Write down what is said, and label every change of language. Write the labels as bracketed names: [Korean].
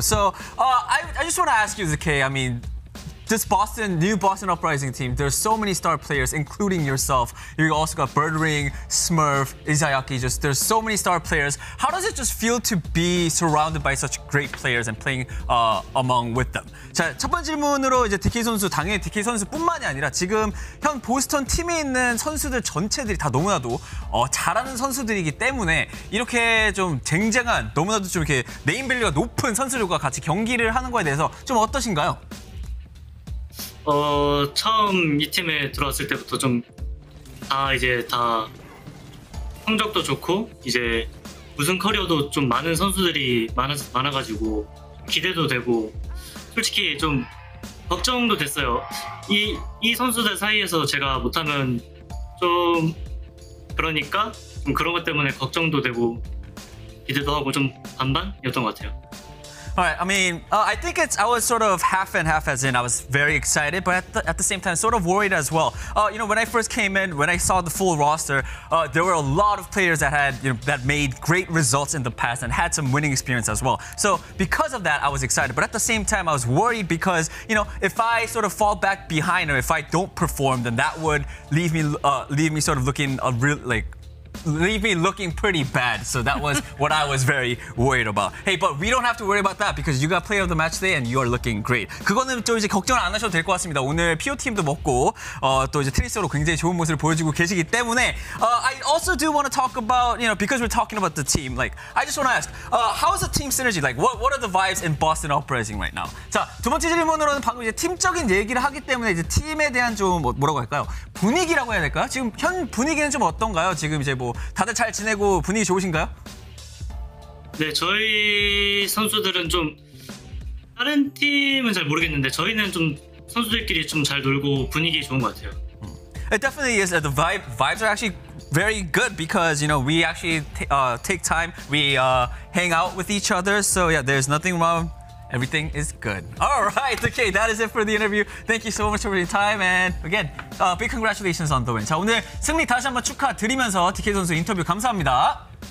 [English] So, I just want to ask you, DK, this new Boston Uprising team, there's so many star players, including yourself. You also got Birdring, Smurf, Izayaki, there's so many star players. How does it just feel to be surrounded by such great players and playing among with them? [Korean] 자, 첫 번째 질문으로 이제 DK 선수, 당연히 DK 선수뿐만이 아니라 지금 현 보스턴 팀에 있는 선수들 전체들이 다 너무나도 잘하는 선수들이기 때문에 이렇게 좀 쟁쟁한, 너무나도 좀 이렇게 네임밸류가 높은 선수들과 같이 경기를 하는 거에 대해서 좀 어떠신가요? 처음 이 팀에 들어왔을 때부터 좀 다 성적도 좋고 이제 우승 커리어도 좀 많은 선수들이 많아가지고 기대도 되고 솔직히 좀 걱정도 됐어요. 이 선수들 사이에서 제가 못하면 좀 그러니까 좀 그런 것 때문에 걱정도 되고 기대도 하고 좀 반반이었던 것 같아요. [English] Alright, I think I was sort of half and half, as in I was very excited, but at the same time, sort of worried as well. When I first came in, when I saw the full roster, there were a lot of players that had, that made great results in the past and had some winning experience as well. So because of that, I was excited, but at the same time, I was worried because, if I sort of fall back behind or if I don't perform, then that would leave me sort of looking leave me looking pretty bad. So that was what I was very worried about. Hey, but we don't have to worry about that because you got player of the match today and you are looking great. [Korean] 그거는 좀 이제 걱정을 안 하셔도 될 것 같습니다. 오늘 PO 팀도 먹고 또 이제 트리스로 굉장히 좋은 모습을 보여주고 계시기 때문에 [English] I also do want to talk about, you know, because we're talking about the team, like, I just want to ask, how is the team synergy? Like, what are the vibes in Boston Uprising right now? [Korean] 자, 두 번째 질문으로는 방금 이제 팀적인 얘기를 하기 때문에 이제 팀에 대한 좀 뭐라고 할까요? 분위기라고 해야 될까요? 지금 현 분위기는 좀 어떤가요? 지금 이제 뭐 다들 잘 지내고 분위기 좋으신가요? 네, 저희 선수들은 좀 다른 팀은 잘 모르겠는데 저희는 좀 선수들끼리 좀 잘 놀고 분위기 좋은 것 같아요. [English] It definitely is. The vibes are actually very good because, you know, we actually take time. We hang out with each other. So, yeah, there's nothing wrong. Everything is good. All right. Okay, that is it for the interview. Thank you so much for your time. And again, big congratulations on the win. [Korean] 자, 오늘 승리 다시 한번 축하드리면서 DK 선수 인터뷰 감사합니다.